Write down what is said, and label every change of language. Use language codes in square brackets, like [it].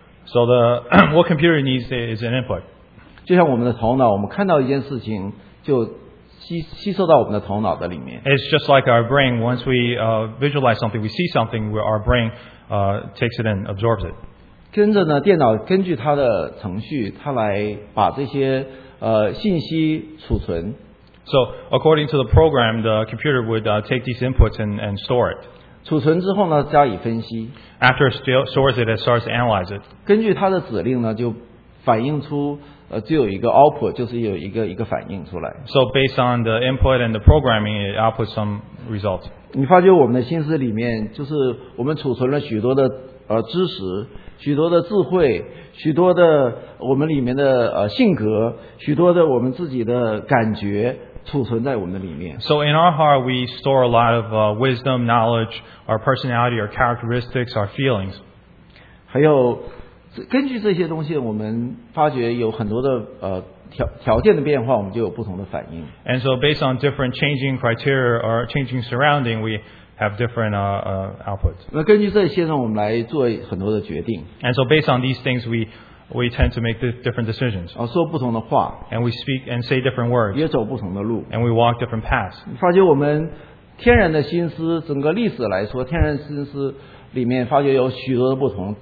[en] So the what computer needs is an input. [zh] 就像我们的头脑，我们看到一件事情就吸收到我们的头脑的里面。 [en] It's just like our brain. Once we visualize something, we see something, our brain takes it and absorbs it. [zh] 跟着呢，电脑根据它的程序，它来把这些信息储存。 [en] So according to the program, the computer would take these inputs and store it. [zh] 储存之后呢，加以分析。 [en] After it stores it, it starts to analyze it. [zh] 根据它的指令呢，就反映出只有一个 output， 就是有一个反应出来。 [en] So based on the input and the programming, it outputs some results. [zh] 你发觉我们的心思里面，就是我们储存了许多的知识，许多的智慧，许多的我们里面的性格，许多的我们自己的感觉，储存在我们的里面。 [en] So in our heart, we store a lot of wisdom, knowledge, our personality, our characteristics, our feelings. [zh] 还有根据这些东西，我们发觉有很多的条件的变化，我们就有不同的反应。 [en] And so, based on different changing criteria or changing surrounding, we have different outputs. [zh] 那根据这些呢，我们来做很多的决定。 [en] And so, based on these things, we tend to make different decisions. [zh] 说不同的话。 [en] And we speak and say different words. [zh] 也走不同的路。 [en] And we walk different paths. [zh] 发觉我们天然的心思，整个历史来说，天然心思里面发觉有许多的不同。